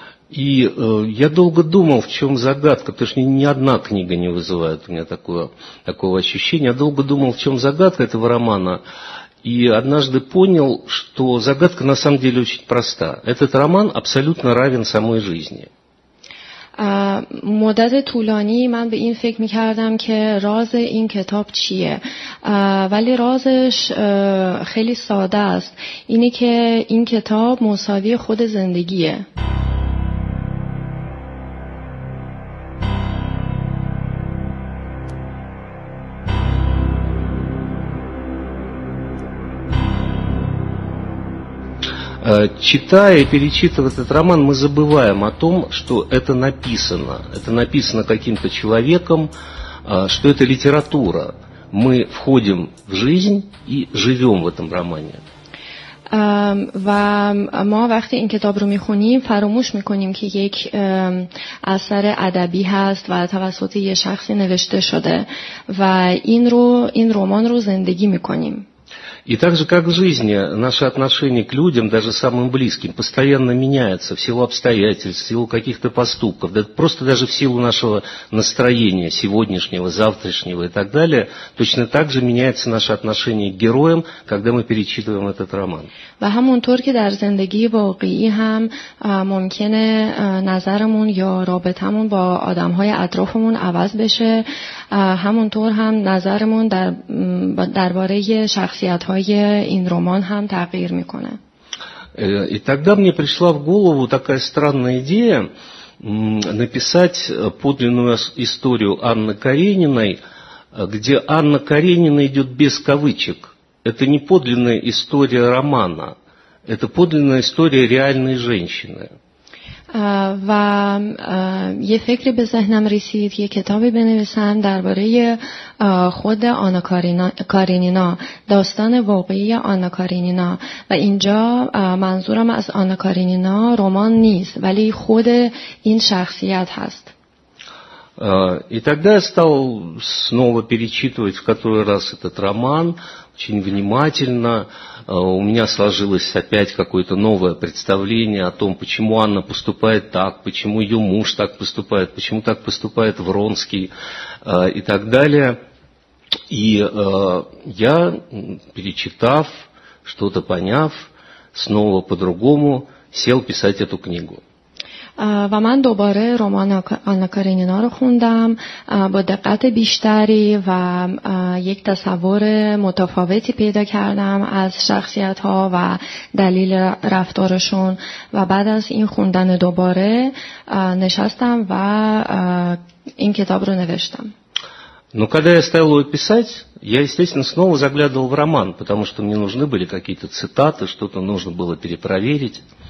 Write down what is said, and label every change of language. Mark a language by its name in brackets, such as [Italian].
[Russian] И я долго думал, в чем загадка, потому что ни одна книга не вызывает у меня такого ощущения. Я долго думал, в чем загадка этого романа. И однажды понял, что загадка на самом деле очень проста. Этот роман абсолютно равен самой жизни. [Persian] مدت طولانی من به این فکر میکردم که راز این کتاب چیه، ولی رازش خیلی ساده است، اینه که این کتاب مساوی خود زندگیه. [Russian] Читая и перечитывая этот роман, мы забываем о том, что это написано. Это написано каким-то человеком, что это литература. Мы входим в жизнь и живем в этом романе. [Persian] و ما وقتی این کتاب رو میخونیم فراموش میکنیم که یک اثر ادبی هست و توسط یه شخصی نوشته شده و این رمان رو زندگی میکنیم. [Russian] И так же, как в жизни, наше отношение к людям, даже самым близким, постоянно меняется в силу обстоятельств, в силу каких-то поступков, да, просто даже в силу нашего настроения сегодняшнего, завтрашнего и так далее, точно так же меняется наше отношение к героям, когда мы перечитываем этот роман. [Persian] و همونطور که در زندگی واقعی هم ممکنه نظرمون یا رابطمون با آدمهای اطرافمون عوض بشه، همونطور هم نظرمون درباره شخصیت‌های این رمان هم تغییر میکنه. [Russian] И тогда мне пришла в голову такая странная идея написать подлинную историю Анны Карениной, где Анна Каренина идет без кавычек. Это не подлинная история романа, это подлинная история реальной женщины. [Persian] و یه فکری به ذهنم رسید، یه کتابی بنویسم درباره خود آنا کارینینا، داستان واقعی آنا کارینینا، و اینجا منظورم از آنا کارینینا رمان نیست، ولی خود این شخصیت هست. [Russian] И тогда я стал снова перечитывать в который раз этот роман, очень внимательно. У меня сложилось опять какое-то новое представление о том, почему Анна поступает так, почему ее муж так поступает, почему так поступает Вронский и так далее. И я, перечитав, что-то поняв, снова по-другому сел писать эту книгу. [Persian] و من دوباره رمان آنا کارینینا رو خوندم با دقت بیشتری و یک تصور متفاوتی پیدا کردم از شخصیت‌ها و دلیل رفتارشون، و بعد از این خوندن دوباره نشستم و این کتاب رو نوشتم. [Russian] Но когда я стал его писать, я, естественно, снова заглядывал в роман, потому что мне нужны были какие-то цитаты, что-то нужно было перепроверить.